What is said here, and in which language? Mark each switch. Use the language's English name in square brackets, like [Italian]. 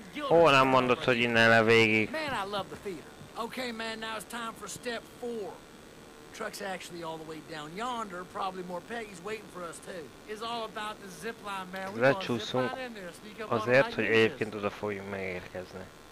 [Hungarian] Ó, nem mondod, hogy innen le végig. [English] Okay, man, now it's time for step four. Truck's actually all the way down yonder, probably more Peggy's waiting for us too. It's all about the zip line, man. We want to zip line in there, sneak up on the light. [Hungarian] Azért, hogy egyébként oda fogjunk megérkezni.